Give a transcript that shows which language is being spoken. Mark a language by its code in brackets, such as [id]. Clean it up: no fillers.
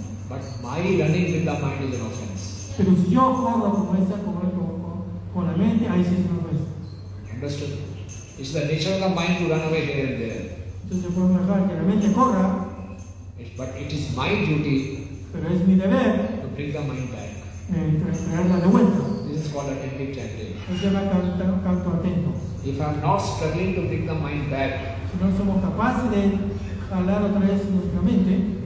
[en] But my running with the mind is an offense. [es] Pero si yo corro con la mente, ahí sí es una ofensa. [en] Understood. It's the nature of the mind to run away here and there. [es] Entonces podemos dejar que la mente corra. [en] But it is my duty. [es] Pero es mi deber. [en] To bring the mind back. [es] Traerla de vuelta. [en] This is called attentive chanting. [es] Se llama canto atento. [en] If I am not struggling to bring the mind back. [es] Si no somos capaces de jalar otra vez nuestra mente.